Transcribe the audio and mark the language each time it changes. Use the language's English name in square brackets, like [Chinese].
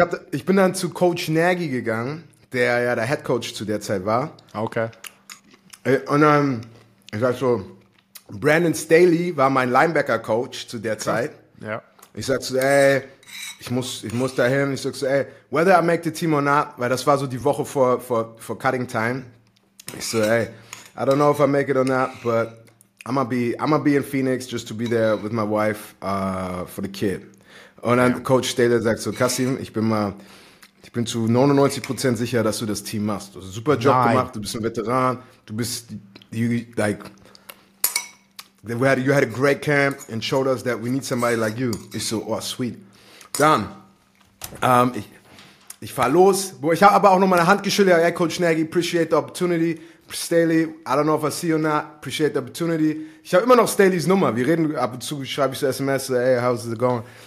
[German] Ich bin dann zu Coach Nagy gegangen, der ja der Head Coach zu der Zeit war. Okay. Und dann, ich sag so, Brandon Staley war mein Linebacker-Coach zu der Zeit. Ja. Ich sag so, ey, ich muss da hin. Ich sag so, ey, [English] whether I make the team or not, [German] weil das war so die Woche vor Cutting Time. Ich so, ey, [English] I don't know if I make it or not, but I'ma be in Phoenix just to be there with my wife for the kid. [German] Und dann Coach Staley sagt so, Kassim, ich bin zu 99% sicher, dass du das Team machst. Du hast einen super Job gemacht, du bist ein Veteran, du bist, [English] you had a great camp and showed us that we need somebody like you. [German] Ich so, [English] oh, sweet. [German] Dann, ich fahr los, ich habe aber auch noch meine Hand geschüttelt, hey, Coach Nagy, [English] appreciate the opportunity. Staley, I don't know if I see you or not, appreciate the opportunity. [German] Ich habe immer noch Staleys Nummer, wir reden ab und zu, schreibe ich so SMS, so, [English] hey, how's it going?